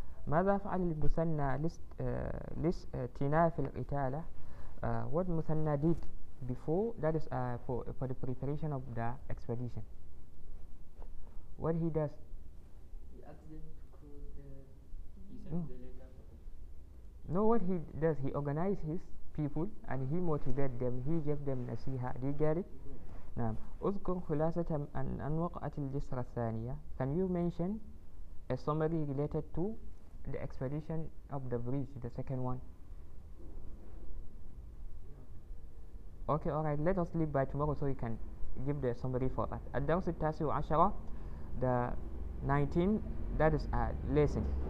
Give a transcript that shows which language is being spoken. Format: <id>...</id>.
<ar>ماذا فعل المسنة لاستئناف القتالة.</ar> <en>What Musanna did before, that is for the preparation of the expedition. What he does? He asked them to close the. He sent the letter. What he does? He organized his people and he motivated them. He gave them nasiha. Do you get it? نعم.</en> <ar>أذكر خلاصة عن وقعة الجسر الثانية.</ar> <en>Can you mention a summary related to the expedition of the bridge, the second one? Okay, alright. Let us leave by tomorrow so you can give the summary for that.</en> <ar>الدرس التاسع عشرة,</ar> <en>the 19, that is a lesson.</en>